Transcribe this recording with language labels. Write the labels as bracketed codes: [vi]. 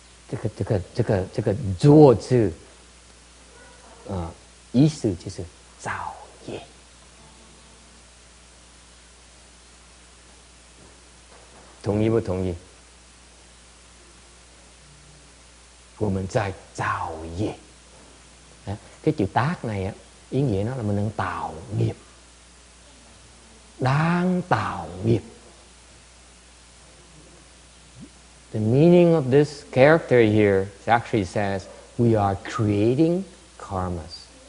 [zh] 这个意思就是造业，同意不同意？我们在造业。 [vi] cái chữ tác này á, ý nghĩa nó là mình đang tạo nghiệp, đang tạo nghiệp. [en] The meaning of this character here actually says we are creating karmas.